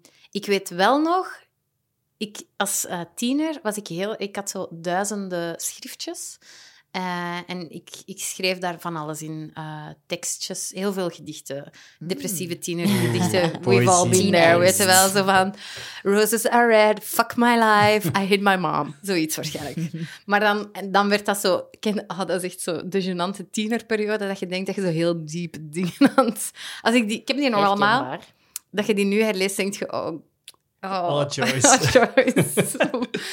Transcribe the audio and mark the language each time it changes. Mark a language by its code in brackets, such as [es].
[nl] Ik weet wel nog, als tiener had zo duizenden schriftjes... En ik schreef daar van alles in. Tekstjes, heel veel gedichten. Depressieve tienergedichten. [en] We've all been there, [nl] weet je wel. Zo van, [en] roses are red, fuck my life, I hate my mom. [nl] Zoiets waarschijnlijk. Maar dan werd dat zo... dat is echt zo de gênante tienerperiode, dat je denkt dat je zo heel diep dingen aan het... Ik heb die nog allemaal. Dat je die nu herleest, denk je... Oh, Joyce.